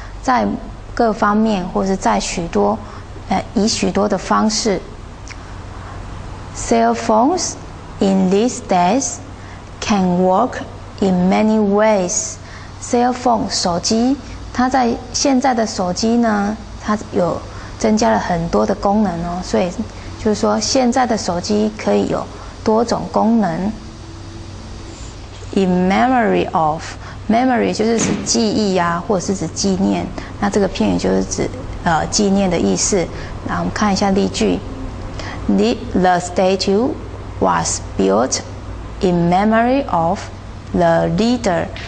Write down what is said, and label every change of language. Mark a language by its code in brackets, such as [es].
[zh] 在各方面，或是在许多，以许多的方式。 [en] Cell phones in these days can work in many ways. [zh] Cell phone 手机，它在现在的手机呢，它有增加了很多的功能哦，所以就是说现在的手机可以有多种功能。 In memory of。 Memory 就是指记忆啊，或者是指纪念。那这个片语就是指纪念的意思。那我们看一下例句 [en] ：The statue was built in memory of the leader.